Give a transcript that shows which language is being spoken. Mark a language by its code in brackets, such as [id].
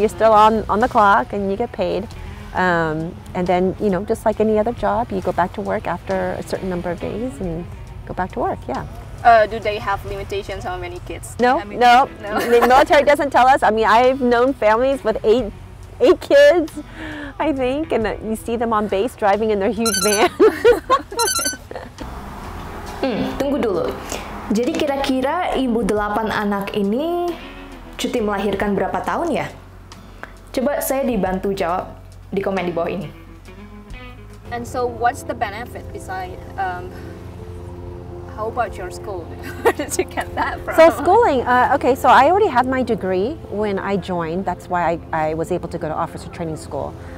[en] You're still on the clock, and you get paid. And then, you know, just like any other job, you go back to work after a certain number of days and go back to work, yeah. Do they have limitations on how many kids? No. The military doesn't tell us. I mean, I've known families with eight kids, I think, and you see them on base driving in their huge van. [id] Tunggu dulu. Jadi kira-kira ibu 8 anak ini cuti melahirkan berapa tahun ya? Coba saya dibantu jawab di komen di bawah ini. [en] And so what's the benefit besides, how about your school? Where did you get that from? So schooling, okay, so I already had my degree when I joined. That's why I was able to go to officer training school.